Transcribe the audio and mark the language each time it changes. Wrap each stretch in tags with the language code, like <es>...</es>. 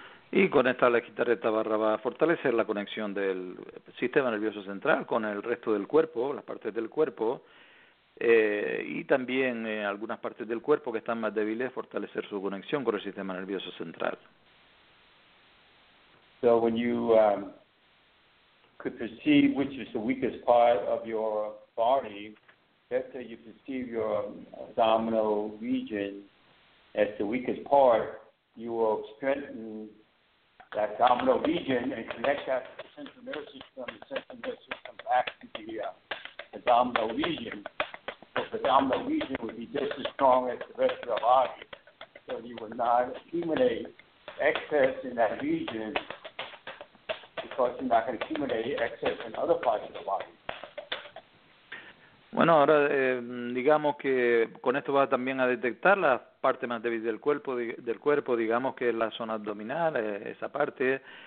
<es>Y con esta guitarra, esta barra va a fortalecer la conexión del sistema nervioso central con el resto del cuerpo, las partes del cuerpo, y también algunas partes del cuerpo que están más débiles, fortalecer su conexión con el sistema nervioso central.</es> <en>So when you could perceive which is the weakest part of your body, better you perceive your abdominal region as the weakest part, you will strengthen that abdominal region and connect that to the central nervous system, the central nervous system back to the abdominal region. So the abdominal region would be just as strong as the rest of your body. So you would not accumulate excess in that region because you're not going to accumulate excess in other parts of the body.</en> <es>Bueno, ahora digamos que con esto va también a detectar la parte más débil del cuerpo, digamos que es la zona abdominal, esa parte,</es>